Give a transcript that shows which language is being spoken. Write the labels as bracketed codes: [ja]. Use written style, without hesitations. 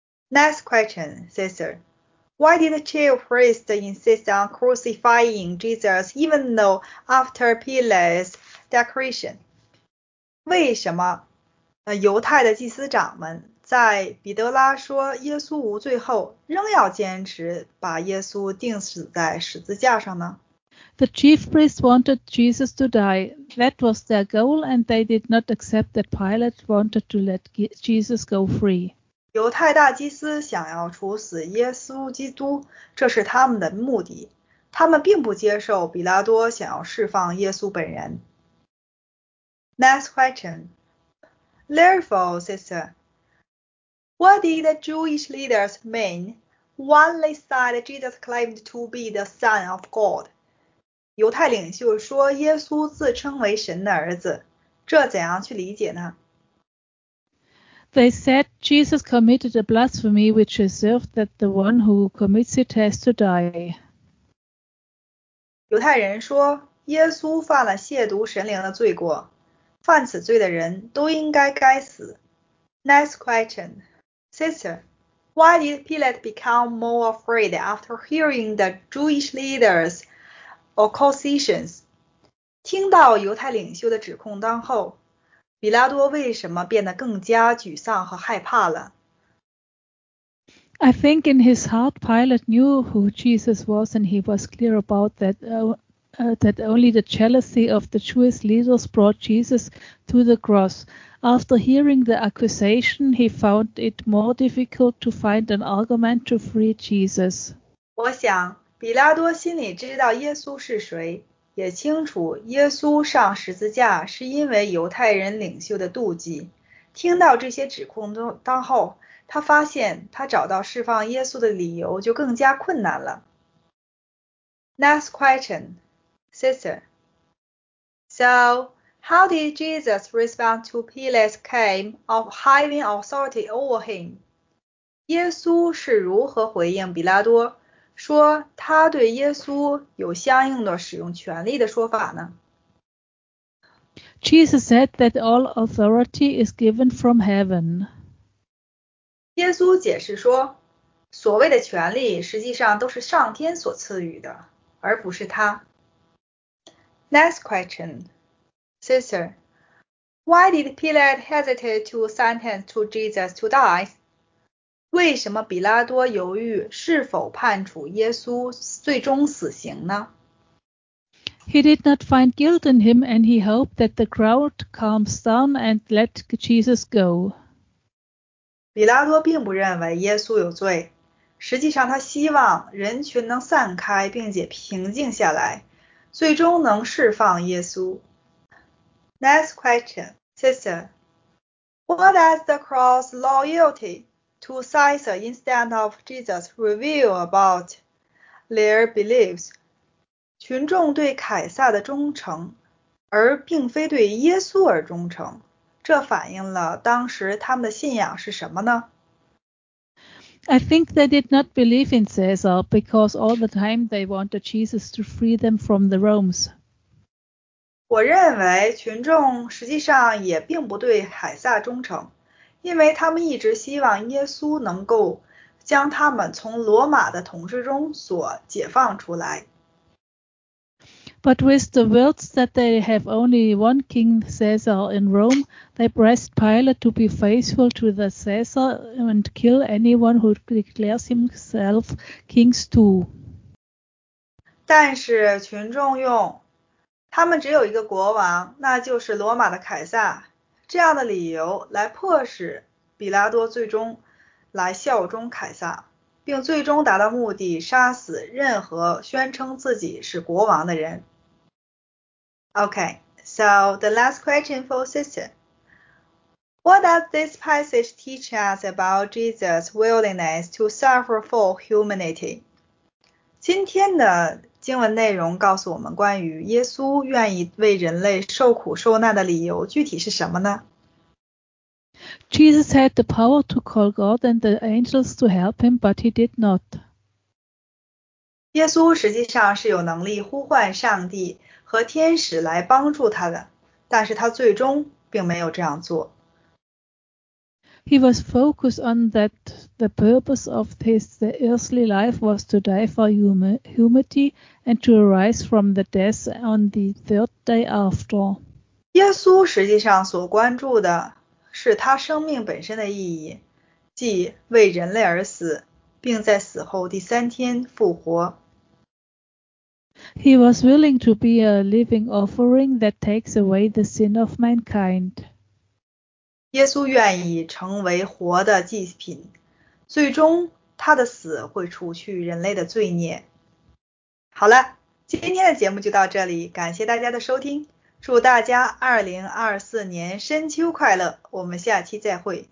[en] Next question, sister. Why did the chief priest insist on crucifying Jesus even though after Pilate's decree? [zh] 为什么犹太的祭司长们在彼得拉说耶稣无罪后仍要坚持把耶稣钉死在十字架上呢？ [en] The chief priest wanted Jesus to die. That was their goal, and they did not accept that Pilate wanted to let Jesus go free. [zh] 犹太大祭司想要处死耶稣基督，这是他们的目的。他们并不接受比拉多想要释放耶稣本人。 [en] Next question. Therefore, sister,What did the Jewish leaders mean when they said Jesus claimed to be the Son of God? [zh] 犹太领袖说耶稣自称为神的儿子，这怎样去理解呢？ [en] They said Jesus committed a blasphemy which deserved that the one who commits it has to die. [zh] 犹太人说耶稣犯了亵渎神灵的罪过，犯此罪的人都应该该死。 [en] Next question. Sister, why did Pilate become more afraid after hearing the Jewish leaders' accusations? [zh] 听到犹太领袖的指控当后，比拉多为什么变得更加沮丧和害怕了？ [en] I think in his heart, Pilate knew who Jesus was, and he was clear about that, that only the jealousy of the Jewish leaders brought Jesus to the cross. After hearing the accusation, he found it more difficult to find an argument to free Jesus. [zh] 我想，比拉多心里知道耶稣是谁，也清楚耶稣上十字架是因为犹太人领袖的妒忌。听到这些指控当后，他发现他找到释放耶稣的理由就更加困难了。 [en] Next question, sister. So... How did Jesus respond to Pilate's claim of having authority over him? [zh] 耶稣是如何回应比拉多说他对耶稣有相应的使用权力的说法呢？ [en] Jesus said that all authority is given from heaven. [zh] 耶稣解释说，所谓的权力实际上都是上天所赐予的，而不是他。 [en] Next question. Sister, why did Pilate hesitate to sentence to Jesus to die? [zh] 为什么比拉多犹豫是否判处耶稣最终死刑呢？ [en] He did not find guilt in him, and he hoped that the crowd calms down and let Jesus go. [zh] 比拉多并不认为耶稣有罪，实际上他希望人群能散开并且平静下来，最终能释放耶稣。 [en] Next question, sister. What does the cross loyalty to Caesar instead of Jesus reveal about their beliefs? [zh] 群众对凯撒的忠诚，而并非对耶稣而忠诚，这反映了当时他们的信仰是什么呢？ [en] I think they did not believe in Caesar because all the time they wanted Jesus to free them from the Romans. [zh] 我认为群众实际上也并不对凯撒忠诚，因为他们一直希望耶稣能够将他们从罗马的统治中所解放出来。 [en] But with the words that they have only one king Caesar in Rome, they pressed Pilate to be faithful to the Caesar and kill anyone who declares himself king too. [zh] 但是群众用他们只有一个国王，那就是罗马的凯撒，这样的理由来迫使比拉多最终来效忠凯撒，并最终达到目的，杀死任何宣称自己是国王的人。 [en] Okay, so the last question for sister. What does this passage teach us about Jesus' willingness to suffer for humanity? [zh] 今天的经文内容告诉我们关于耶稣愿意为人类受苦受难的理由具体是什么呢？ [en] Jesus had the power to call God and the angels to help him, but he did not. [zh] 耶稣实际上是有能力呼唤上帝和天使来帮助他的，但是他最终并没有这样做。 [en] He was focused on that the purpose of his earthly life was to die for humanity and to arise from the death on the third day after. [zh] 耶稣实际上所关注的是他生命本身的意义，即为人类而死，并在死后第三天复活。 [en] He was willing to be a living offering that takes away the sin of mankind. [zh] 耶稣愿意成为活的祭品，最终他的死会除去人类的罪孽。好了，今天的节目就到这里，感谢大家的收听，祝大家2024年深秋快乐，我们下期再会。